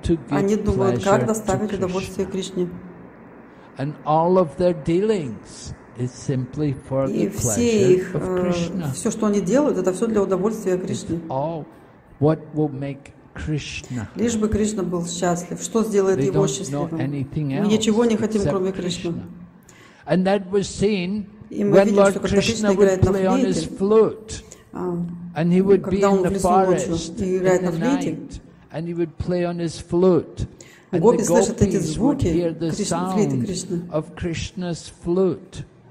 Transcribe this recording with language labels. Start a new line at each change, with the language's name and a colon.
Russian: Они думают, как доставить удовольствие Кришне.
English: And all of their dealings is simply for the pleasure of Krishna.
Russian: Все, что они делают, это все для удовольствия Кришны.
English: What will make Krishna.
Russian: Лишь бы Кришна был счастлив. Что сделает его счастливым? Мы ничего не хотим, кроме Кришны.
English: And that was seen when Lord Krishna would play on his flute. And he would be in the forest in the night, and he would play on his flute. And the gopis would hear the sound of Krishna's flute.